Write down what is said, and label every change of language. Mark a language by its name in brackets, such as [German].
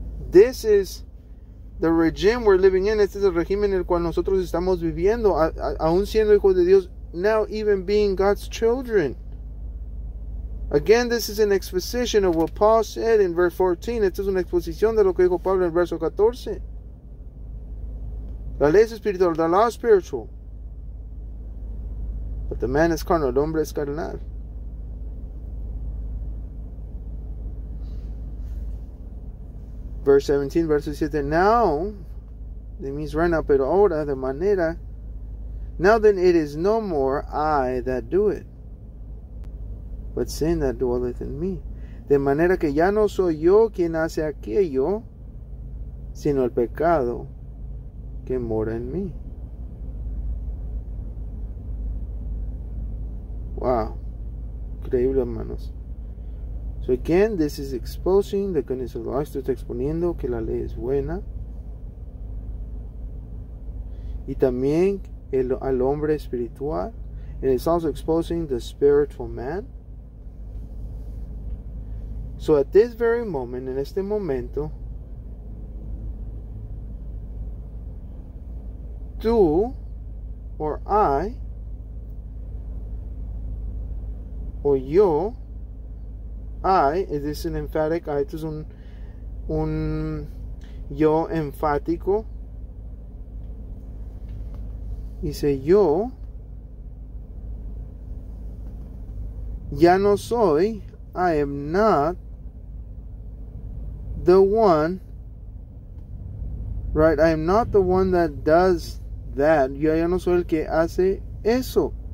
[English] This is the regime we're living in, [Spanish] este es el régimen en el cual nosotros estamos viviendo, aún siendo hijos de Dios, [English] now even being God's children. Again, this is an exposition of what Paul said in verse 14. [Spanish] Esto es una exposición de lo que dijo Pablo en verso 14. La ley es espiritual, [English] the law is spiritual. But the man is carnal, [Spanish] el hombre es carnal. [English] Verse 17, verso 17. Now, it means right now, [Spanish] pero ahora, de manera. [English] Now then, it is no more I that do it, but sin that dwelleth in me. [Spanish] De manera que ya no soy yo quien hace aquello, sino el pecado que mora en mí. Wow. Increíble, hermanos. [English] So again, this is exposing the goodness of the law. [Spanish] Esto está exponiendo que la ley es buena. Y también al hombre espiritual. [English] And it's also exposing the spiritual man. So at this very moment, [Spanish] en este momento, tú or I or yo, I, [English] is this an emphatic I, [Spanish] esto es un yo enfático, dice yo, ya no soy, [English] I am not the one, right? I am not the one that does that. [Spanish] Yo ya no soy el que hace eso.